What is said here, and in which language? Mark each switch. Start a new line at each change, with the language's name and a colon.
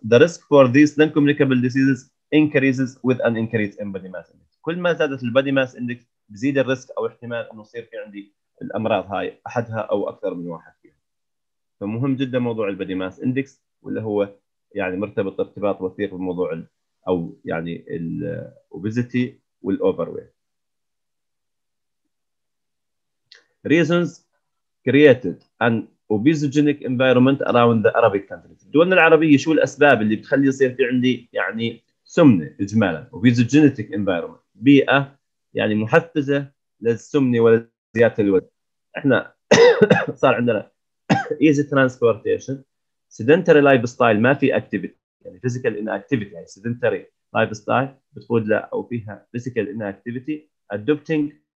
English: The risk for these non-communicable diseases increases with an increase in body mass index.
Arabic: كل ما زادت البادي ماس اندكس بزيد الريسك او احتمال انه يصير في عندي الامراض هاي احدها او اكثر من واحد فيها. فمهم جدا موضوع البادي ماس اندكس، واللي هو يعني مرتبط ارتباط وثيق بموضوع او يعني الاوبيزيتي والاوفر ويت.
English: Reasons created an obesogenic environment around the Arabic countries.
Arabic: الدول العربيه شو الاسباب اللي بتخلي يصير في عندي يعني سمنه اجمالا؟
English: obesogenic environment،
Arabic: بيئة يعني محفزة للسمنة ولزيادة الوزن. احنا صار عندنا
English: easy transportation, sedentary lifestyle ما في activity يعني physical inactivity يعني sedentary lifestyle
Arabic: بتقود لها او فيها
English: physical inactivity, adopting